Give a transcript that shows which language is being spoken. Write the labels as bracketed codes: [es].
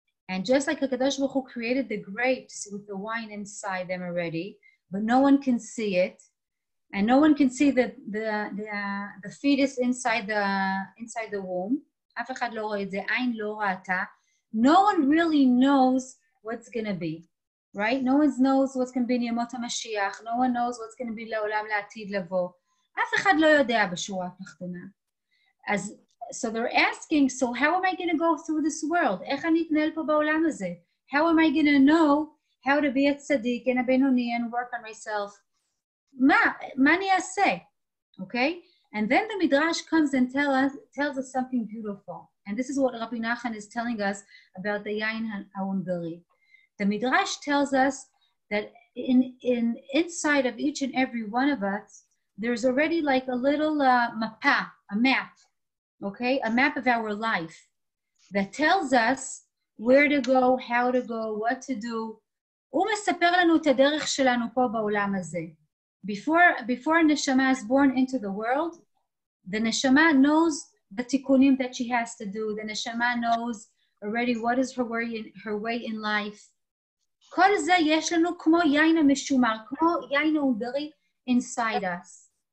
[en] And just like הקדוש ברוך הוא created the grapes with the wine inside them already, but no one can see it, and no one can see the fetus inside the womb. [he] אף אחד לא רואה את זה, עין לא ראתה. [en] No one really knows what's going to be, right? No one knows what's going to be in ימות המשיח. No one knows what's going to be לעולם לעתיד לבוא. [he] אף אחד לא יודע בשורה התחתונה. [en] So they're asking, so how am I going to go through this world? [he] איך אני אתנהל פה בעולם הזה? [en] How am I going to know how to be a tzaddik and a benoni and work on myself? [he] מה אני אעשה? [en] Okay? And then the Midrash comes and tells us something beautiful. And this is what Rabbi Nachman is telling us about the Yain HaUngari. The Midrash tells us that in inside of each and every one of us, there's already like a little mapah, a map, okay? A map of our life that tells us where to go, how to go, what to do. [he] הוא מספר לנו את הדרך שלנו פה בעולם הזה. [en] Before neshama is born into the world, the neshama knows the tikkunim that she has to do. The neshama knows already what is her way in life. [he] Kol ze yesh lanu kmo yayin meshumar, kmo yayin ungari [en] inside us.